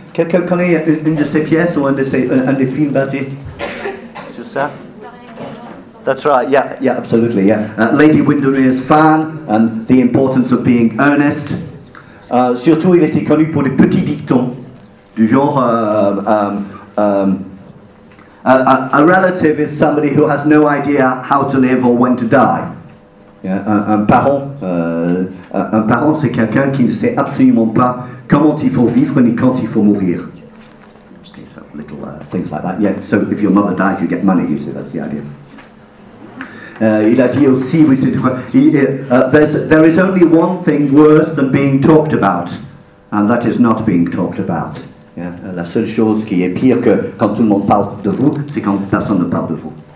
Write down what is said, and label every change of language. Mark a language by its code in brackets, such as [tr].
[fr] Quelqu'un connaît une de ses pièces ou un des films basés sur ça? [en] That's right, yeah, absolutely, yeah. Lady Windermere's Fan and The Importance of Being Earnest. [fr] Surtout, il était connu pour les petits dictons, du genre... [en] a relative is somebody who has no idea how to live or when to die. [fr] Yeah, un parent, c'est quelqu'un qui ne sait absolument pas comment il faut vivre ni quand il faut mourir. [en] Okay, so little things like that. Yeah, so if your mother dies, you get money, you see, that's the idea. [fr] Il a dit aussi, oui, c'est, [en] there is only one thing worse than being talked about, and that is not being talked about. [fr] Yeah, la seule chose qui est pire que quand tout le monde parle de vous, c'est quand personne ne parle de vous.